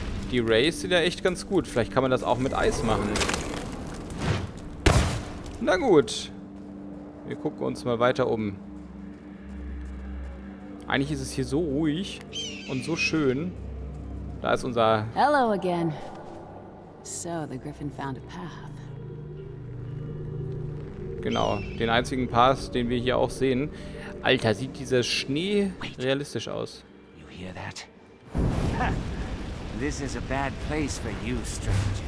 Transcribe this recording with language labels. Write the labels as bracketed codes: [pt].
[de] Die Rays sind ja echt ganz gut. Vielleicht kann man das auch mit Eis machen. Na gut. Wir gucken uns mal weiter um. Eigentlich ist es hier so ruhig und so schön. Da ist unser. [en] Hello again. So, the Griffin found a path. [de] Genau, den einzigen Pass, den wir hier auch sehen. Alter, sieht dieser Schnee realistisch aus. [en] You hear that? This is a bad place for you, stranger.